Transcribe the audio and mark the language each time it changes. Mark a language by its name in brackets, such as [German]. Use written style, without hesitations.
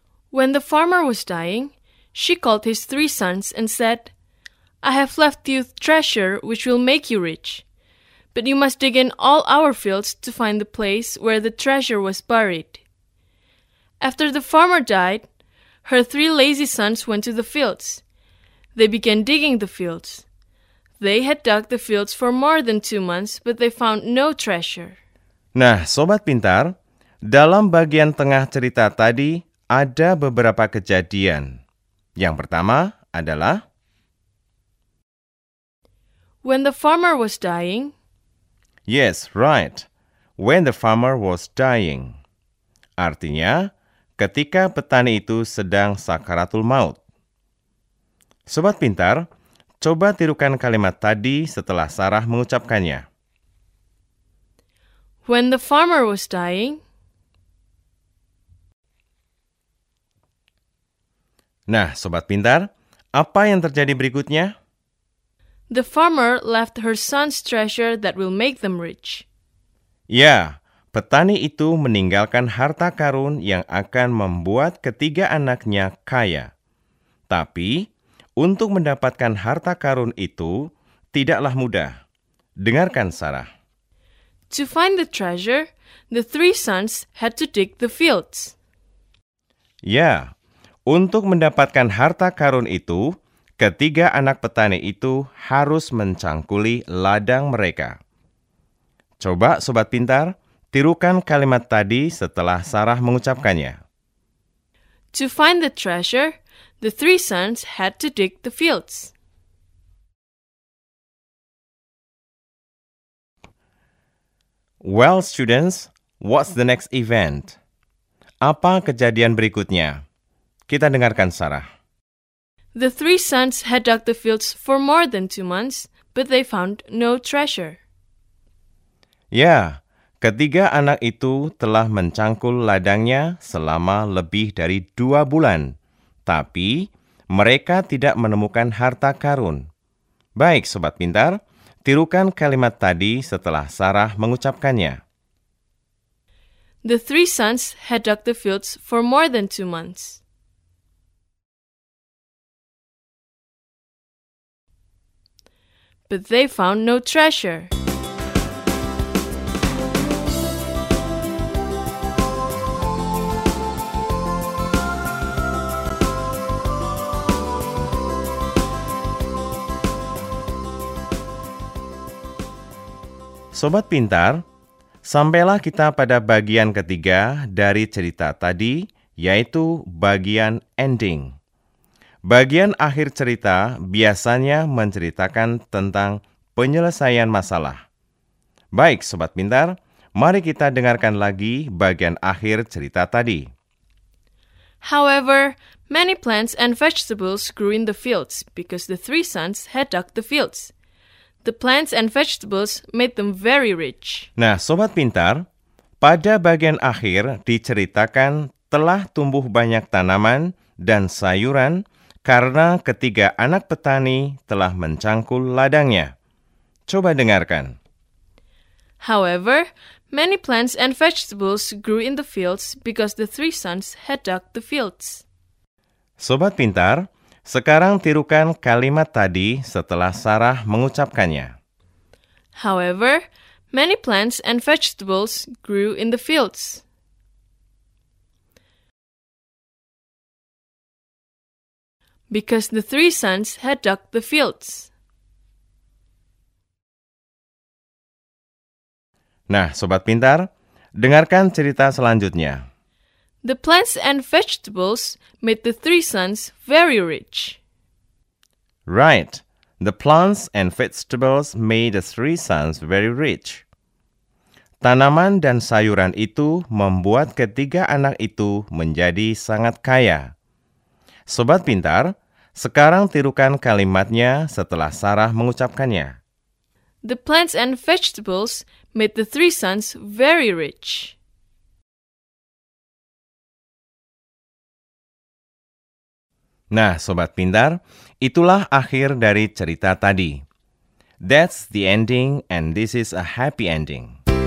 [English] When the farmer was dying, she called his 3 sons and said, I have left you treasure which will make you rich, but you must dig in all our fields to find the place where the treasure was buried. After the farmer died, her 3 lazy sons went to the fields. They began digging the fields. They had dug the fields for more than 2 months, but they found no treasure. [Indonesian] Nah, sobat pintar, dalam bagian tengah cerita tadi ada beberapa kejadian. Yang pertama adalah... [English] When the farmer was dying. Yes, right. When the farmer was dying. [Indonesian] Artinya, ketika petani itu sedang sakaratul maut. Sobat pintar, coba tirukan kalimat tadi setelah Sarah mengucapkannya. [English] When the farmer was dying. [Indonesian] Nah, sobat pintar, apa yang terjadi berikutnya? [English] The farmer left her son's treasure that will make them rich. [Indonesian] Ya, petani itu meninggalkan harta karun yang akan membuat ketiga anaknya kaya. Tapi, untuk mendapatkan harta karun itu tidaklah mudah. Dengarkan Sarah. [English] To find the treasure, the 3 sons had to dig the fields. [Indonesian] Ya, untuk mendapatkan harta karun itu, ketiga anak petani itu harus mencangkuli ladang mereka. Coba sobat pintar, tirukan kalimat tadi setelah Sarah mengucapkannya. [English] To find the treasure, the 3 sons had to dig the fields. Well, students, what's the next event? [Indonesian] Apa kejadian berikutnya? Kita dengarkan Sarah. [English] The 3 sons had dug the fields for more than 2 months, but they found no treasure. [Indonesian] Ya, ketiga anak itu telah mencangkul ladangnya selama lebih dari 2 bulan. Tapi, mereka tidak menemukan harta karun. Baik, sobat pintar, Tirukan kalimat tadi setelah Sarah mengucapkannya. [English] The three sons had dug the fields for more than 2 months. But they found no treasure. [Indonesian] Sobat pintar, sampailah kita pada bagian ketiga dari cerita tadi, yaitu bagian ending. Bagian akhir cerita biasanya menceritakan tentang penyelesaian masalah. Baik, Sobat Pintar, mari kita dengarkan lagi bagian akhir cerita tadi. [English] However, many plants and vegetables grew in the fields because the three sons had dug the fields. The plants and vegetables made them very rich. [Indonesian] Nah, Sobat Pintar, pada bagian akhir diceritakan telah tumbuh banyak tanaman dan sayuran karena ketiga anak petani telah mencangkul ladangnya. Coba dengarkan. [English] However, many plants and vegetables grew in the fields because the three sons had dug the fields. [Indonesian] Sobat Pintar, sekarang tirukan kalimat tadi setelah Sarah mengucapkannya. [English] However, many plants and vegetables grew in the fields. Because the three sons had dug the fields. [Indonesian] Nah, Sobat Pintar, dengarkan cerita selanjutnya. [English] The plants and vegetables made the three sons very rich. Right. The plants and vegetables made the three sons very rich. [Indonesian] Tanaman dan sayuran itu membuat ketiga anak itu menjadi sangat kaya. Sobat Pintar, sekarang tirukan kalimatnya setelah Sarah mengucapkannya. [English] The plants and vegetables made the three sons very rich. [Indonesian] Nah, Sobat Pintar, itulah akhir dari cerita tadi. [English] That's the ending and this is a happy ending.